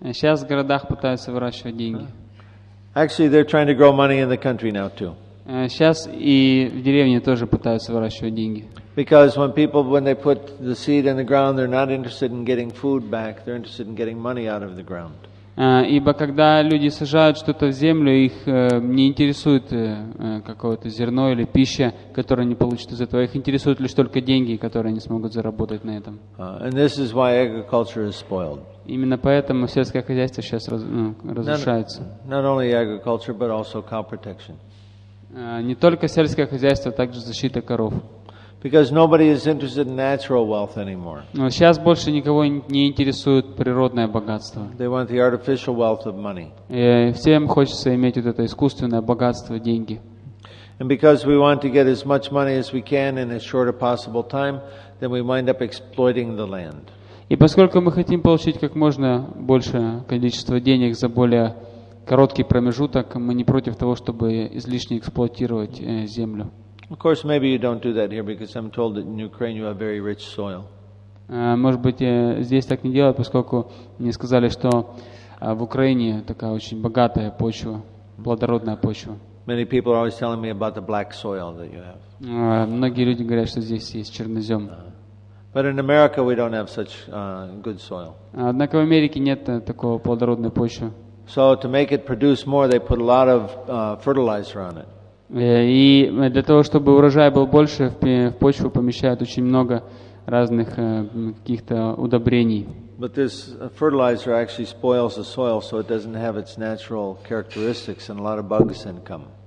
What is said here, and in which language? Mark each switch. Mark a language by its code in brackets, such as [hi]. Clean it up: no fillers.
[ru] Сейчас в городах пытаются выращивать деньги. [en] Actually, they're trying to grow money in the country now too. [ru] Сейчас и в деревне тоже пытаются выращивать деньги. [en] Because when they put the seed in the ground, they're not interested in getting food back. They're interested in getting money out of the ground. [ru] Ибо когда люди сажают что-то в землю, их не интересует какое-то зерно или пища, которую они получат из этого. Их интересуют лишь только деньги, которые они смогут заработать на этом. [en] And this is why agriculture is spoiled. [ru] Именно поэтому сельское хозяйство сейчас разрушается. [en] Not only agriculture, but also cow protection. [ru] Не только сельское хозяйство, а также защита коров. [en] Because nobody is interested in natural wealth anymore. [ru] Но сейчас больше никого не интересует природное богатство. [en] They want the artificial wealth of money. [ru] И всем хочется иметь вот это искусственное богатство, деньги. [en] And because we want to get as much money as we can in as short a possible time, then we wind up exploiting the land. [ru] И поскольку мы хотим получить как можно большее количество денег за более короткий промежуток, мы не против того, чтобы излишне эксплуатировать землю. [en] Of course, maybe you don't do that here because I'm told that in Ukraine you have very rich soil. [ru] Может быть, здесь так не делают, поскольку мне сказали, что в Украине такая очень богатая почва, плодородная почва. [en] Many people are always telling me about the black soil that you have. [ru] Многие люди говорят, что здесь есть чернозем. [en] But in America we don't have such good soil. [ru] Однако в Америке нет такого плодородной почвы. [en] So to make it produce more, they put a lot of fertilizer on it. [ru] И для того, чтобы урожай был больше, в почву помещают очень много разных каких-то удобрений. [en] But this fertilizer actually spoils the soil, so it doesn't have its natural characteristics, and a lot of bugs then come.